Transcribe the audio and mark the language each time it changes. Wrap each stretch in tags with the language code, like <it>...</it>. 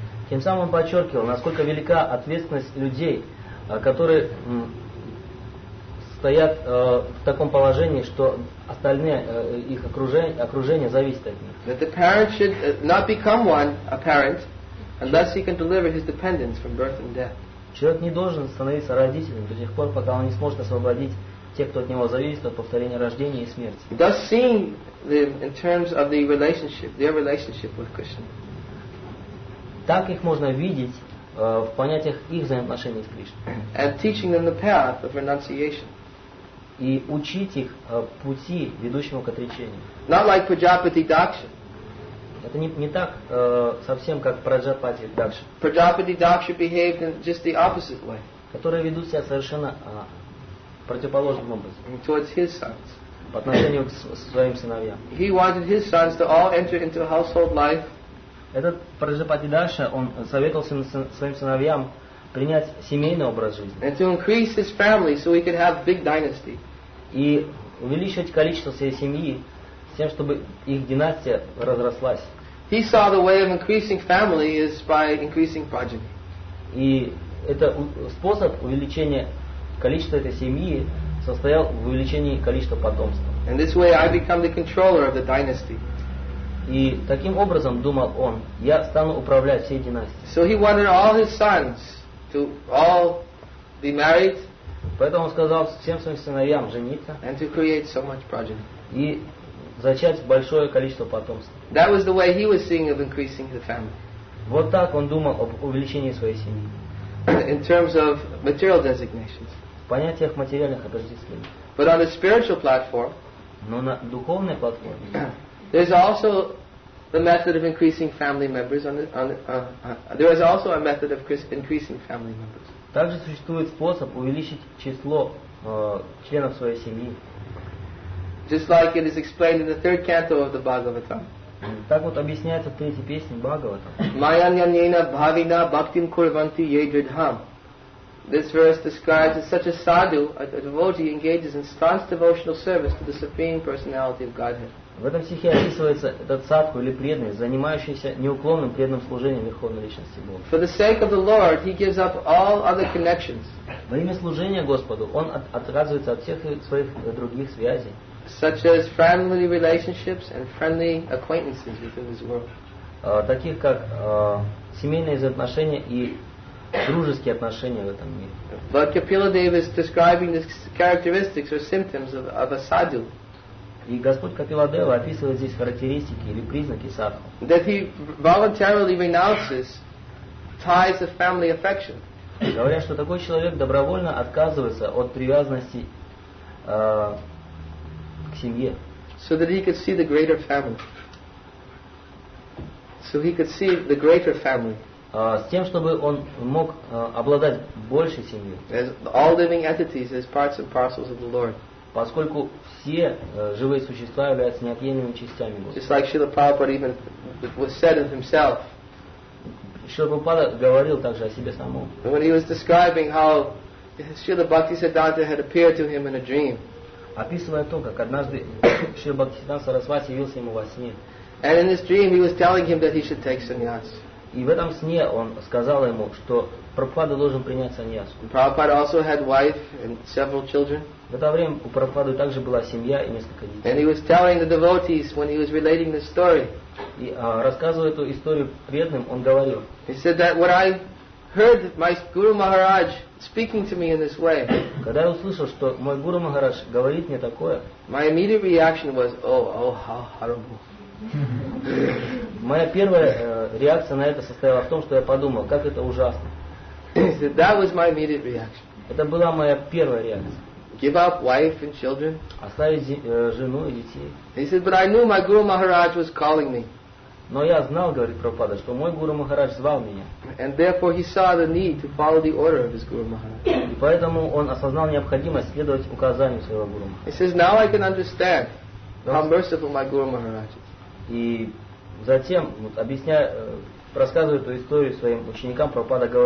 <ru>Тем самым подчеркивал, насколько велика ответственность людей, которые стоят в таком положении, что остальные их окружение зависит от них.</ru> <en>That the parent should not become one, a parent, unless he can deliver his dependents from birth and death.</en> <ru>Человек не должен становиться родителем до тех пор, пока он не сможет освободить тех, кто от него зависит, от повторения рождения и смерти.</ru> <en>Thus seeing them in terms of the relationship, their relationship with Krishna.</en> <ru>Так их можно видеть в понятиях их взаимоотношений с Кришной.</ru> <en>And teaching them the path of renunciation.</en> <ru>И учить их пути, ведущему к отречению.</ru> <en>Not like Prajapati Daksha.</en> <ru>Это не так совсем, как Prajapati Daksha.</ru> <en>Prajapati Daksha behaved in just the opposite way.</en> <ru>Которые ведут себя совершенно противоположным образом.</ru> <en>Towards his sons.</en> <ru>По отношению к своим сыновьям.</ru> <en>He wanted his sons to all enter into household life.</en> <ru>Этот Праджапати Даша, он советовал своим сыновьям принять семейный образ жизни.</ru> <en>And to increase his family so he could have big dynasty.</en> <ru>И увеличивать количество своей семьи с тем, чтобы их династия разрослась.</ru> <en>He saw the way of increasing family is by increasing progeny.</en> <ru>И это способ увеличения количества этой семьи состоял в увеличении количества потомства.</ru> <en>And this way I become the controller of the dynasty.</en> <ru>И таким образом, думал он, я стану управлять всей династией.</ru> <en>So he wanted all his sons to all be married.</en> <ru>Поэтому он сказал всем своим сыновьям жениться.</ru> <en>And to create so much progeny.</en> <ru>И зачать большое количество потомства.</ru> <en>That was the way he was seeing of increasing the family.</en> <ru>Вот так он думал об увеличении своей семьи.</ru> <en>In terms of material designations.</en> <ru>В понятиях материальных определений.</ru> <en>But on the spiritual platform.</en> <ru>Но на духовной платформе.</ru> <en>There's also the method of increasing family members. There is also a method of increasing family members.</en> <ru>Также существует способ увеличить число членов своей семьи.</ru> <en>Just like it is explained in the third canto of the Bhagavatam.</en> <ru>Так вот объясняется в третьей песне Бхагаватам.</ru> <sa>Maya nyanyena bhavina bhaktim kurvanti ye dridham.</sa> <en>This verse describes that such a sadhu, a devotee, engages in staunch devotional service to the Supreme Personality of Godhead.</en> <ru>В этом стихе описывается этот садху или преданный, занимающийся неуклонным преданным служением Верховной Личности Бога.</ru> <en>For the sake of the Lord, he gives up all other connections.</en> <ru>Во имя служения Господу он отказывается от всех своих других связей.</ru> <en>Such as friendly relationships and friendly acquaintances within his world.</en> <ru>Таких как семейные отношения и дружеские отношения в этом мире.</ru> <en>But Kapila Dev is describing the characteristics or symptoms of a sadhu.</en> <ru>И Господь Капиладева описывает здесь характеристики или признаки садху.</ru> <en>That he voluntarily renounces ties of family affection.</en> <ru>Говоря, что такой человек добровольно отказывается от привязанности к семье.</ru> <en>So that he could see the greater family. So he could see the greater family.</en> <ru>С тем, чтобы он мог обладать большей семьей.</ru> <en>As all living entities as parts and parcels of the Lord.</en> <ru>Поскольку все живые существа являются неотъемлемыми частями Господа.</ru> <en>Just like Srila Prabhupada even was said of himself.</en> <ru>Srila Prabhupada говорил также о себе самом.</ru> <en>When he was describing how Srila Bhaktisiddhanta had appeared to him in a dream.</en> <ru>Описывая то, как однажды Srila Bhaktisiddhanta Sarasvati явился ему во сне.</ru> <en>And in his dream he was telling him that he should take sannyas.</en> <ru>И в этом сне он сказал ему, что Прабхупада должен принять саньясу.</ru> <en>Prabhupada also had wife and several children.</en> <ru>В это время у Прабхупады также была семья и несколько детей.</ru> <en>And he was telling the devotees when he was relating the story.</en> <ru>И рассказывая эту историю преданным, он говорил.</ru> <en>He said that when I heard my Guru Maharaj speaking to me in this way.</en> <ru>Когда я услышал, что мой Гуру Махарадж говорит мне такое.</ru> <en>My immediate reaction was, oh, how horrible.</en> <ru>Моя первая реакция на это состояла в том, что я подумал, как это ужасно.</ru> <en>He said that was my immediate reaction.</en> <ru>Это была моя первая реакция.</ru> <en>Give up wife and children.</en> <ru>Оставить жену и детей.</ru> <en>He said, but I knew my Guru Maharaj was calling me.</en> <ru>Но я знал, говорит Прабхупада, что мой Гуру Махарадж звал меня.</ru> <en>And therefore he saw the need to follow the order of his Guru Maharaj.</en> <ru>И поэтому он осознал необходимость следовать указаниям своего Гуру</ru> <en>Махараджа. He says, now I can understand how merciful my Guru Maharaj is.</en> <ru>И затем, вот, объясняя, рассказывая эту историю своим ученикам, Прабхупада говорит,</ru>